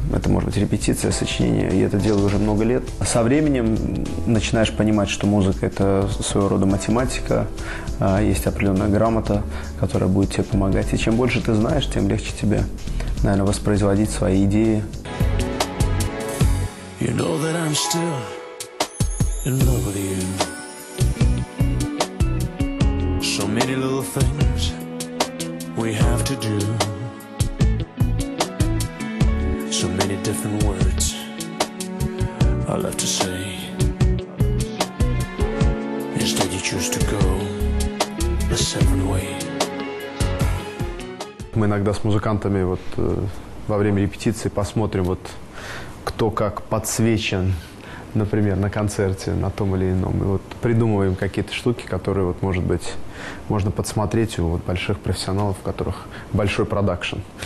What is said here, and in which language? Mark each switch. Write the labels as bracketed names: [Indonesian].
[Russian] Это может быть репетиция, сочинение, и это делаю уже много лет. Со временем начинаешь понимать, что музыка – это своего рода математика, есть определенная грамота, которая будет тебе помогать. И чем больше ты знаешь, тем легче тебе, наверное, воспроизводить свои идеи. [English] You know that I'm still in love with you. So many little things we have to do. So many different words I love to say. Instead you choose to go the seven way. [Russian] Мы иногда с музыкантами вот во время репетиции посмотрим, вот кто как подсвечен, например, на концерте, на том или ином. И вот придумываем какие-то штуки, которые, вот, может быть, можно подсмотреть у вот больших профессионалов, у которых большой продакшн.